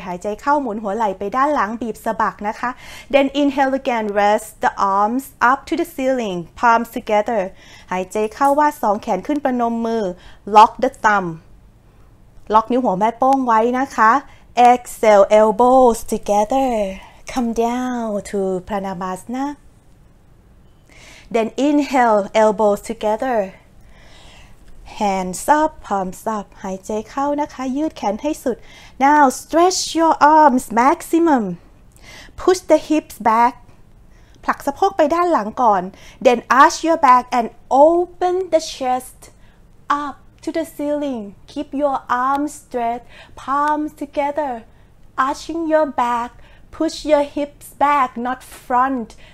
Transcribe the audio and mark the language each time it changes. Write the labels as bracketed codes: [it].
[th] หายใจเข้าหมุนหัวไหล่ไปด้านหลังบีบสะบักนะคะ [en] Then inhale again. Rest the arms up to the ceiling. Palms together. [th] หายใจเข้าวาดสองแขนขึ้นประนมมือ [en] Lock the thumb. [th] ล็อกนิ้วหัวแม่โป้งไว้นะคะ [en] Exhale, elbows together. Come down to Pranabasana. Then inhale, elbows together, hands up, palms up. [th] หายใจเข้านะคะยืดแขนให้สุด [en] Now stretch your arms maximum. Push the hips back. [th] ผลักสะโพกไปด้านหลังก่อน [en] Then arch your back and open the chest up to the ceiling. Keep your arms straight, palms together. Arching your back, push your hips back, not front.